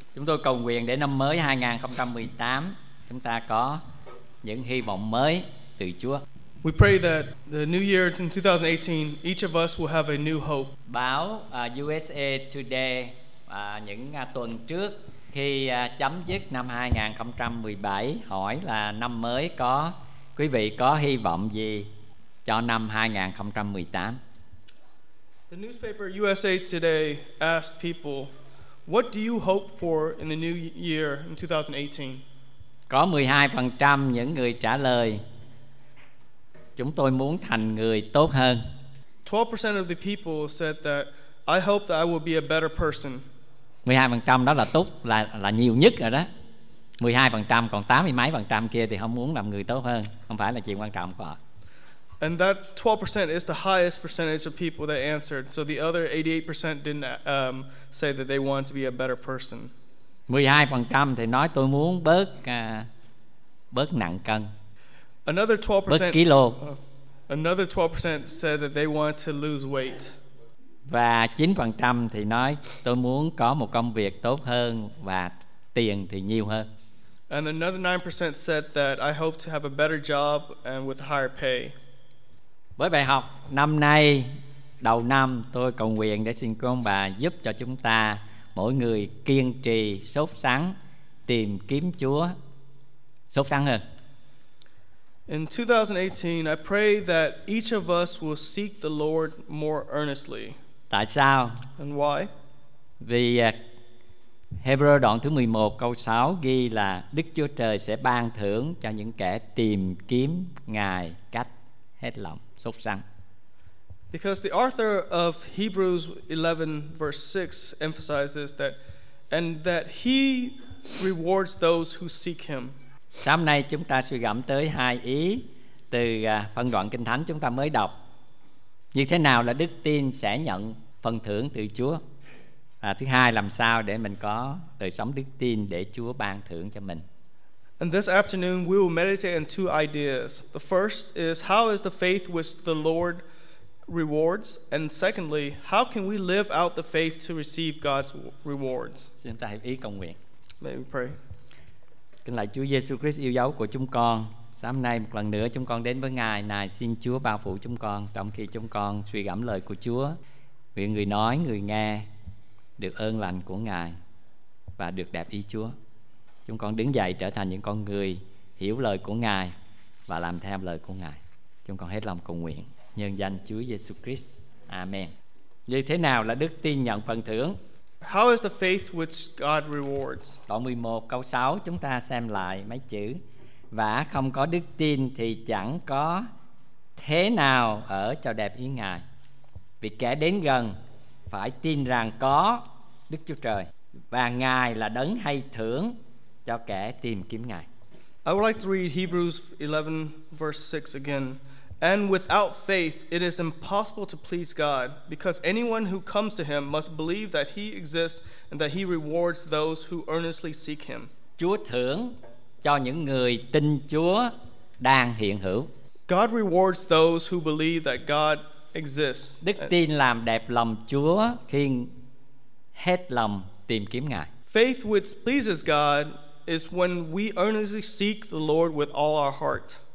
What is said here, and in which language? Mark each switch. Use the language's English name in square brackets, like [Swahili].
[Vietnamese] Chúng tôi cầu nguyện để năm mới 2018 chúng ta có những hy vọng mới từ Chúa. [English] We pray that the new year in 2018, each of us will have a new hope. [Vietnamese] Báo USA Today những tuần trước khi chấm dứt năm 2017 hỏi là năm mới có quý vị có hy vọng gì cho năm 2018? [English] The newspaper USA Today asked people, "What do you hope for in the new year in 2018?" [Vietnamese] Có 12% những người trả lời, chúng tôi muốn thành người tốt hơn. [English] 12% of the people said that I hope that I will be a better person. [Vietnamese] 12% đó là tốt, là nhiều nhất rồi đó. 12%, còn 80-mấy% kia thì không muốn làm người tốt hơn, không phải là chuyện quan trọng của họ. [English] And that 12% is the highest percentage of people that answered. So the other 88% didn't say that they want to be a better person. [Vietnamese] 12% thì nói tôi muốn bớt bớt nặng cân. [English] Another 12% [Vietnamese] bớt kilo. [English] Another 12% said that they want to lose weight. [Vietnamese] Và 9% thì nói tôi muốn có một công việc tốt hơn và tiền thì nhiều hơn. [English] And another 9% said that I hope to have a better job and with higher pay. [Vietnamese] Với bài học năm nay, đầu năm tôi cầu nguyện để xin cô ông bà giúp cho chúng ta mỗi người kiên trì, sốt sắng tìm kiếm Chúa, sốt sắng hơn. [English] In 2018, I pray that each of us will seek the Lord more earnestly. [Vietnamese] Tại sao? [English] And why? [Vietnamese] Vì Hebrew đoạn thứ 11 câu 6 ghi là Đức Chúa Trời sẽ ban thưởng cho những kẻ tìm kiếm Ngài cách hết lòng. [English] Because the author of Hebrews 11 verse 6 emphasizes that, and that he rewards those who seek him. [Vietnamese] Sáng nay chúng ta suy gẫm tới hai ý từ phân đoạn kinh thánh chúng ta mới đọc. Như thế nào là đức tin sẽ nhận phần thưởng từ Chúa? Thứ hai, làm sao để mình có đời sống đức tin để Chúa ban thưởng cho mình? [English] And this afternoon, we will meditate on two ideas. The first is, how is the faith which the Lord rewards? And secondly, how can we live out the faith to receive God's rewards? [Vietnamese] Xin ta hiệp ý cầu nguyện. [English] May we pray. [Vietnamese] Kính lạy Chúa Giêsu Christ yêu dấu của chúng con. Sáng nay một lần nữa chúng con đến với Ngài. Này xin Chúa bao phủ chúng con. Trong khi chúng con suy gẫm lời của Chúa, nguyện người nói, người nghe được ơn lành của Ngài và được đẹp ý Chúa. Chúng con đứng dậy trở thành những con người hiểu lời của Ngài và làm theo lời của Ngài. Chúng con hết lòng cầu nguyện nhân danh Chúa Giêsu Christ. Amen. Như thế nào là đức tin nhận phần thưởng? [English] How is the faith which God rewards? [Vietnamese] Đoạn 11 câu 6 chúng ta xem lại mấy chữ. Và không có đức tin thì chẳng có thế nào ở cho đẹp ý Ngài. Vì kẻ đến gần phải tin rằng có Đức Chúa Trời và Ngài là đấng hay thưởng cho kẻ tìm kiếm Ngài. [English] I would like to read Hebrews 11 verse 6 again. And without faith it is impossible to please God, because anyone who comes to him must believe that he exists and that he rewards those who earnestly seek him. [Vietnamese] Chúa thưởng cho những người tin Chúa đang hiện hữu. [English] God rewards those who believe that God exists. [Vietnamese] Đức tin làm đẹp lòng Chúa khi hết lòng tìm kiếm Ngài. [English] Faith which pleases God is when we earnestly seek the Lord with all our heart.